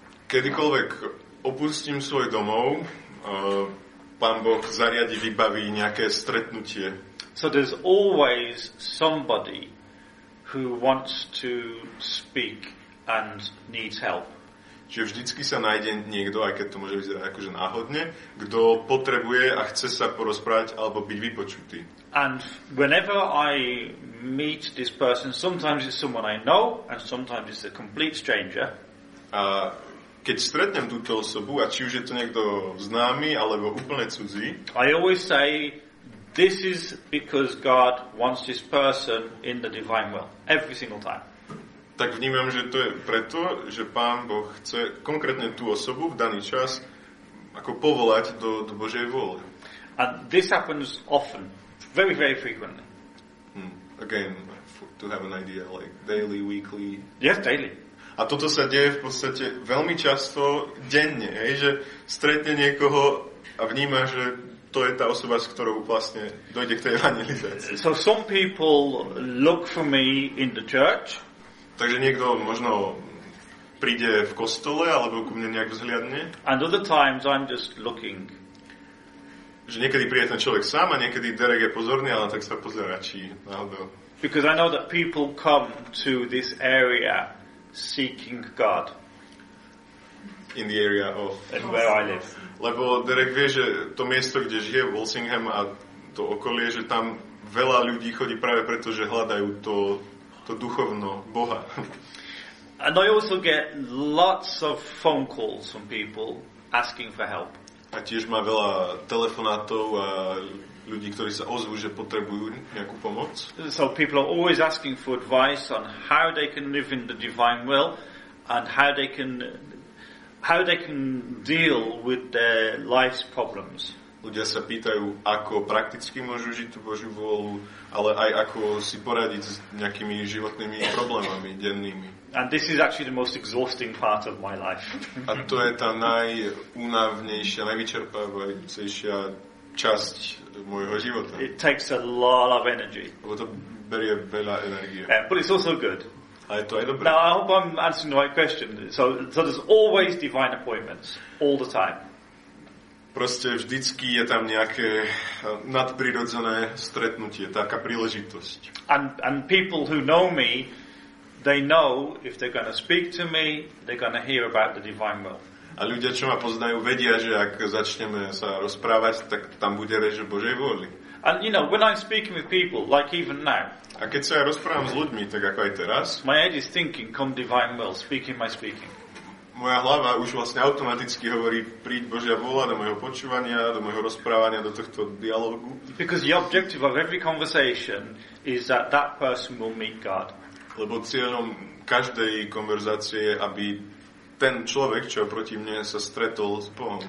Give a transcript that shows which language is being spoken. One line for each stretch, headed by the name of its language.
Slovak: Kedykoľvek opustím svoj domov, Pán Boh zariadi, vybaví nejaké stretnutie.
English: So there's always somebody who wants to speak and needs help.
Slovak: Čiže vždycky sa nájde niekto, aj keď to môže vyzerať akože náhodne, kto potrebuje a chce sa porozprávať alebo byť vypočutý.
English: And whenever I meet this person, sometimes it's someone I know and sometimes it's a complete stranger.
Slovak: A keď stretnem túto osobu, a či už je to niekto známy alebo úplne cudzí,
English: I always say this is because God wants this person in the divine will every single time.
Slovak: Tak vnímam, že to je preto, že Pán Boh chce konkrétne tú osobu v daný čas ako povolať do Božej vôle.
English: And this happens often. Very, very frequently. Again, to have an idea, like daily, weekly. Yes, daily.
Slovak: A toto sa deje v podstate veľmi často, denne, hej, že stretne niekoho a vníma, že to je tá osoba, s ktorou vlastne dojde k tej evangelizácii.
English: So some people look for me in the church.
Slovak: Takže niekto možno príde v kostole alebo ku mne nejak vzhliadne.
English: And other times I'm just looking.
Slovak: Že niekedy príde ten človek sám a niekedy Derek je pozorný, ale tak sa pozerá, či náhodou.
English: Because I know that people come to this area seeking God. In the area of... And where I live.
Slovak: Lebo Derek vie, že to miesto, kde žije, Walsingham a to okolie, že tam veľa ľudí chodí práve preto, že hľadajú to duchovno Boha.
English: And I also get lots of phone calls from people asking for help.
Slovak: A tiež má veľa telefonátov a ľudí, ktorí sa ozvú, že potrebujú nejakú pomoc.
English: So people are always asking for advice on how they can live in the divine will and how they can deal with their life's problems.
Slovak: Ľudia sa pýtajú, ako prakticky môžu žiť tú Božiu vôľu, ale aj ako si poradiť s nejakými životnými problémami dennými.
English: And this is actually the most exhausting part of my life.
Slovak: A to je tá najúnavnejšia, najvyčerpávajúcejšia časť môjho života.
English: It takes a lot of energy.
Slovak: Lebo to berie veľa energie.
English: But it's also good.
Slovak: A je to aj dobré.
English: Now, I hope I'm answering the right question. So there's always divine appointments, all the time.
Slovak: Proste vždycky je tam nejaké nadprirodzené stretnutie, taká príležitosť.
English: And people who know me, they know if they're going to speak to me, they're going to hear about the divine will.
Slovak: A ľudia, čo ma poznajú, vedia, že ak začneme sa rozprávať, tak tam bude reč o Božej vôli.
English: And you know, when I'm speaking with people, like even now.
Slovak: A keď sa ja rozprávam s ľuďmi, tak ako aj teraz.
English: My head is thinking, come divine will, speak in my speaking.
Slovak: Moja hlava už vlastne automaticky hovorí, príď Božia vôľa do mojho počúvania, do mojho rozprávania, do tohto dialogu.
English: Because the objective of every conversation is that that person will meet God.
Slovak: Lebo cieľom každej konverzácie je, aby ten človek, čo proti mne, sa stretol s Bohom.